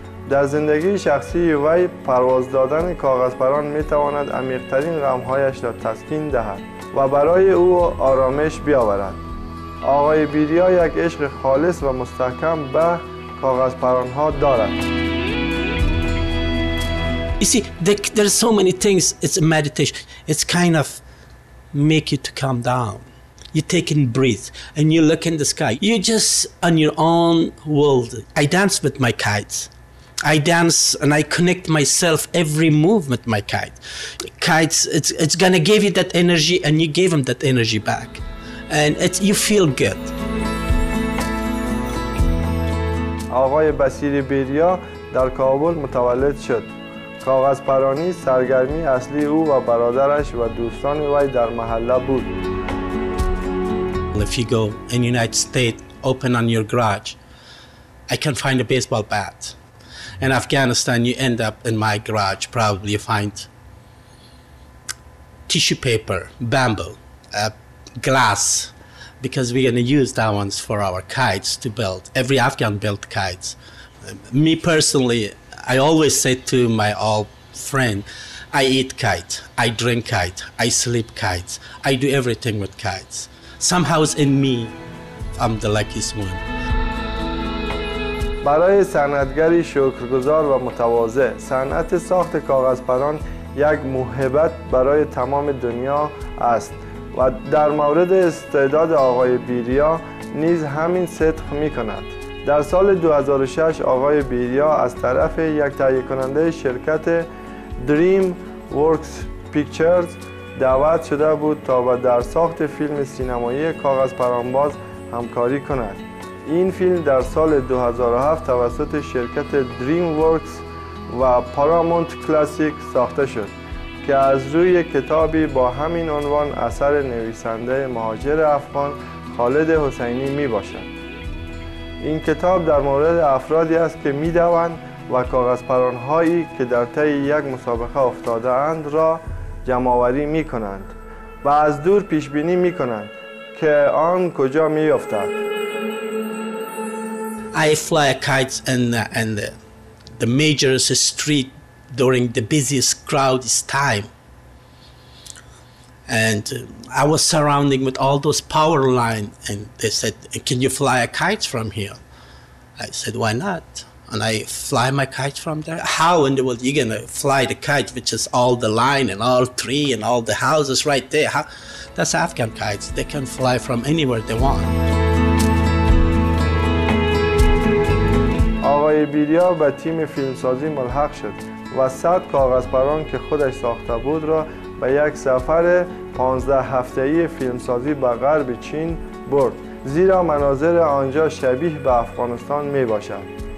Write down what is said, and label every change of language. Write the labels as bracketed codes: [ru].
[fa] در زندگی شخصی وی پرواز دادن کاغذپران میتواند عمیق‌ترین غم‌هایش را تسکین دهد و برای او آرامش بیاورد. آقای بیریا یک عشق خالص و مستحکم به کاغذپران‌ها دارد. [en] You see, there's so many things. It's a meditation. It's kind of make you to calm down. You take in breath and you look in the sky. You just on your own world. I dance with my kites. I dance and I connect myself every movement my kite. Kites, it's gonna give you that energy and you gave them that energy back. And you feel good. [fa] آقای بسیر بیریا در کابل متولد شد. کاغذپرانی سرگرمی اصلی او و برادرش و دوستان وی در محله بود. [en] If you go in the United States, open on your garage, I can find a baseball bat. In Afghanistan, you end up in my garage, probably you find tissue paper, bamboo, glass, because we're going to use that ones for our kites to build. Every Afghan built kites. Me personally, I always say to my old friend, I eat kite, I drink kite, I sleep kites, I do everything with kites. Somehow in me, I'm the luckiest one. [fa] برای صنعتگری شکرگزار و متواضع، صنعت ساخت کاغذپران یک موهبت برای تمام دنیا است. و در مورد استعداد آقای بیریا نیز همین صدق می کند. در سال 2006 آقای بیریا از طرف یک تهیه کننده شرکت دریم ورکس پیکچرز دعوت شده بود تا با در ساخت فیلم سینمایی کاغذپرانباز همکاری کند. این فیلم در سال 2007 توسط شرکت دریم ورکس و پارامونت کلاسیک ساخته شد که از روی کتابی با همین عنوان اثر نویسنده مهاجر افغان خالد حسینی می باشد. این کتاب در مورد افرادی است که می دوند و کاغذپران هایی که در طی یک مسابقه افتاده اند را جمع آوری می کنند و از دور پیش بینی می کنند که آن کجا می افتد. [en] I fly kites in the major street during the busiest crowd is time. And I was surrounding with all those power line and they said, can you fly a kite from here? I said, why not? and I fly my kite from there. How in the world are you going to fly the kite, which is all the line and all tree and all the houses right there? How? That's Afghan kites. They can fly from anywhere they want. [fa] آقای بیریا به تیم فیلمسازی ملحق شد و 100 کاغذپران که خودش ساخته بود را به یک سفر 15 هفته‌ای فیلمسازی به غرب چین برد، زیرا مناظر آنجا شبیه به افغانستان می باشد.